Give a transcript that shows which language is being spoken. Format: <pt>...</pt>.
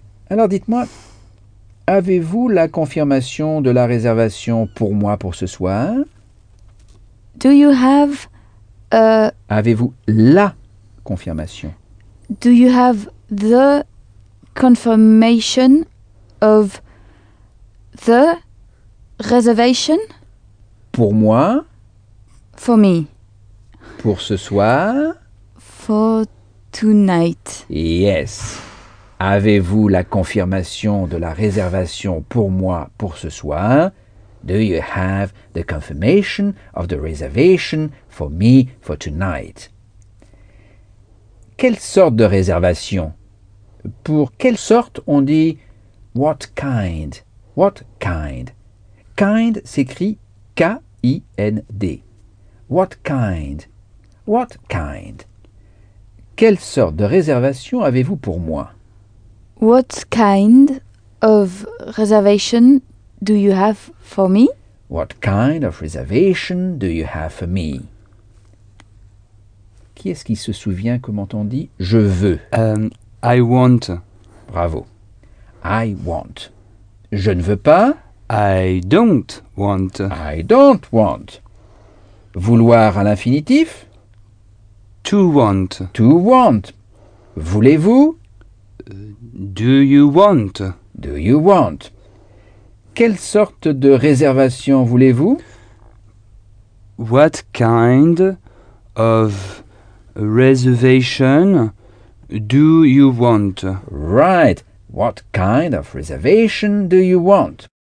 <fr>Alors dites-moi, avez-vous la confirmation de la réservation pour moi pour ce soir?</fr> <en>Do you have a...</en> <fr>Avez-vous la confirmation?</fr> <en>Do you have the... Confirmation of the reservation?</en> <fr>Pour moi?</fr> <en>For me.</en> <fr>Pour ce soir?</fr> <en>For tonight. Yes.</en> <fr>Avez-vous la confirmation de la réservation pour moi pour ce soir?</fr> <en>Do you have the confirmation of the reservation for me for tonight?</en> <fr>Quelle sorte de réservation? Pour quelle sorte on dit</fr> <en>what kind? What kind?</en> <fr>Kind s'écrit K IND.</fr> <en>What kind? What kind?</en> <fr>Quelle sorte de réservation avez-vous pour moi?</fr> <en>What kind of reservation do you have for me? What kind of reservation do you have for me?</en> <fr>Qui est-ce qui se souvient comment on dit je veux?</fr> <en>I want. Bravo. I want.</en> <fr>Je ne veux pas.</fr> <en>I don't want. I don't want.</en> <fr>Vouloir à l'infinitif.</fr> <en>To want. To want.</en> <fr>Voulez-vous?</fr> <en>Do you want? Do you want?</en> <fr>Quelle sorte de réservation voulez-vous?</fr> <en>What kind of reservation do you want? Right. What kind of reservation do you want?</en>